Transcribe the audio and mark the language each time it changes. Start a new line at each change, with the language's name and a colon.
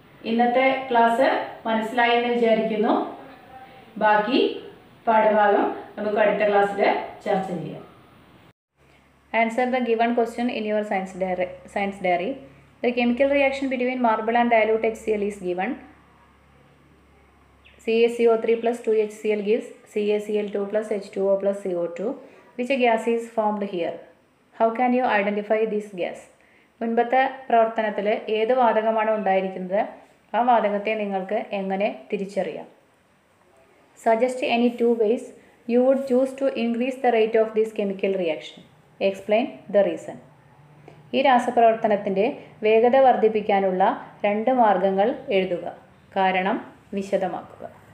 Malayalam: ഇന്നത്തെ ക്ലാസ് മനസ്സിലായി എന്ന് വിചാരിക്കുന്നു. ബാക്കി പാഠഭാഗം നമുക്ക് അടുത്ത ക്ലാസ്സിൽ ചർച്ച ചെയ്യാം.
English: Answer the given question in your science diary. The chemical reaction between marble and dilute H C L is given. CaCO3+2HCl gives CaCl2+H2O+CO2, which gas is formed here? How can you identify this gas?
Malayalam: മുൻപത്തെ പ്രവർത്തനത്തിൽ ഏത് വാതകമാണ് ഉണ്ടായിരിക്കുന്നത്, ആ വാതകത്തെ നിങ്ങൾക്ക് എങ്ങനെ തിരിച്ചറിയാം?
English: Suggest any two ways you would choose to increase the rate of this chemical reaction. Explain the reason.
Malayalam: ഈ രാസപ്രവർത്തനത്തിൻ്റെ വേഗത വർദ്ധിപ്പിക്കാനുള്ള രണ്ട് മാർഗങ്ങൾ എഴുതുക, കാരണം വിശദമാക്കുക.